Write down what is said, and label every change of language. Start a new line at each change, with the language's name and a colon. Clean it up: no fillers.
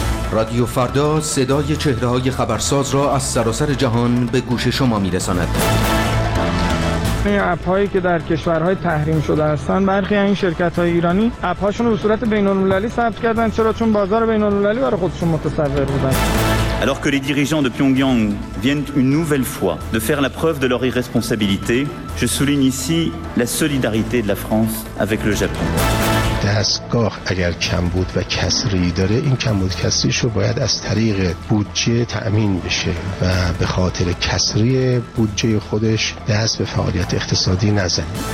Persian: رادیو فردا صدای چهره های خبرساز را از سراسر جهان به گوش شما می رساند. اپ هایی که در کشورهای تحریم شده هستند، برخی این شرکت های ایرانی اپ هاشون رو به صورت بین المللی ثبت کردن. چرا؟ چون بازار بین المللی برای خودشون متصور بودن.
French: Alors que les dirigeants de Pyongyang viennent une nouvelle fois de faire la preuve de leur irresponsabilité, je souligne ici la solidarité de la France avec le Japon.
Persian: دستگاه اگر کم بود و کسری داره، این کم بود کسریش رو باید از طریق بودجه تأمین بشه و به خاطر کسری بودجه خودش دست به فعالیت اقتصادی نزنه.